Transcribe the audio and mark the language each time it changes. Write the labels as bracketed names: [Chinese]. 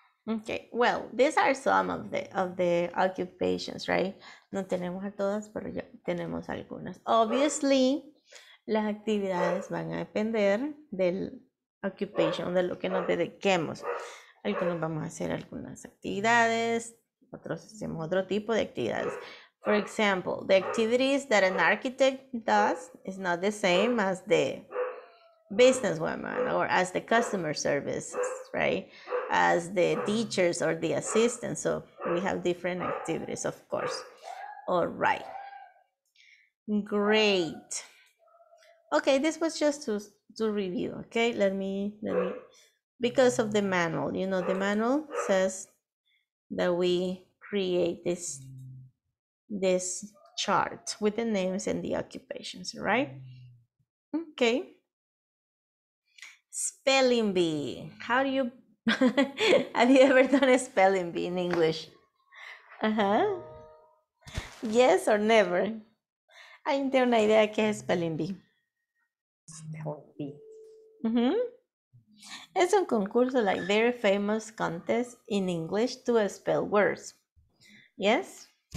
[English] Okay, well, these are some of the occupations, right? [Spanish] No tenemos a todas, pero ya tenemos algunas. [English] Obviously, [Spanish] las actividades van a depender del occupation, de lo que nos dediquemos. Algunos vamos a hacer algunas actividades, otros hacemos otro tipo de actividades. [English] For example, the activities that an architect does is not the same as the businesswoman or as the customer services, right? As the teachers or the assistants. So we have different activities, of course. All right. Great. Okay, this was just to review, okay? Let me, because of the manual, you know, the manual says that we create this chart with the names and the occupations, right? Okay. Spelling bee. How do you, have you ever done a spelling bee in English? Yes or never? [Spanish] ¿Alguien tiene una idea qué es spelling bee? Es un concurso, [English] like very famous contest in English to spell words. Yes?